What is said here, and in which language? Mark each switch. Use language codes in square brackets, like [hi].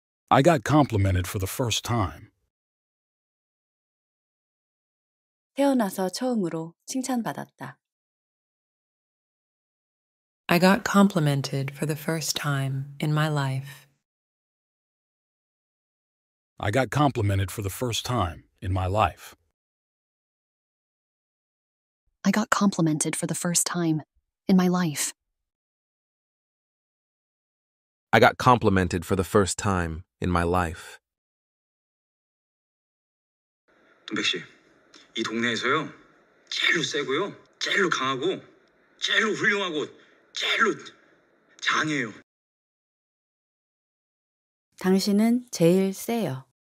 [en] I got complimented for the first time. [ko] 태어나서 처음으로 칭찬받았다. [en] I got complimented for the first time in my life. I got complimented for the first time in my life. I got complimented for the first time in my life. I got complimented for the first time in my life. [ko] 동백 씨, 이 동네에서요, 제일로 세고요, 제일로 강하고, 제일로 훌륭하고, 제일로 장해요. 당신은 제일 세요.